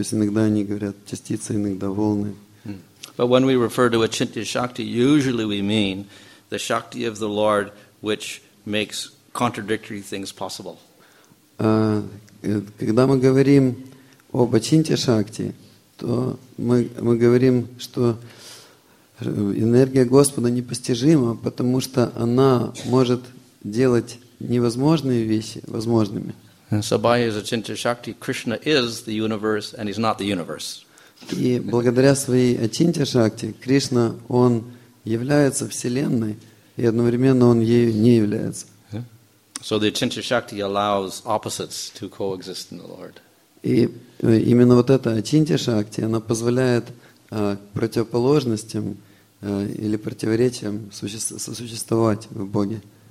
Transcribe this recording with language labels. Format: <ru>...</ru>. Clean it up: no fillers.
<ru>То есть иногда они говорят частицы, иногда волны.</ru> <en>But when we refer to Achintya Shakti, usually we mean the Shakti of the Lord, which makes contradictory things possible.</en> <ru>Когда мы говорим об Ачинте Шакти, то мы говорим, что энергия Господа непостижима, потому что она может делать невозможные вещи возможными.</ru> <en>So by his Ачинте Шакти, Krishna is the universe and he's not the universe.</en> <ru>И благодаря своей Ачинте Шакти, Кришна, он является Вселенной, и одновременно он ею не является.</ru> <en>So the Achintya Shakti allows opposites to coexist in the Lord.</en> <ru>И именно вот эта Ачинтья Шакти, она позволяет противоположностям или противоречиям сосуществовать в Боге.</ru>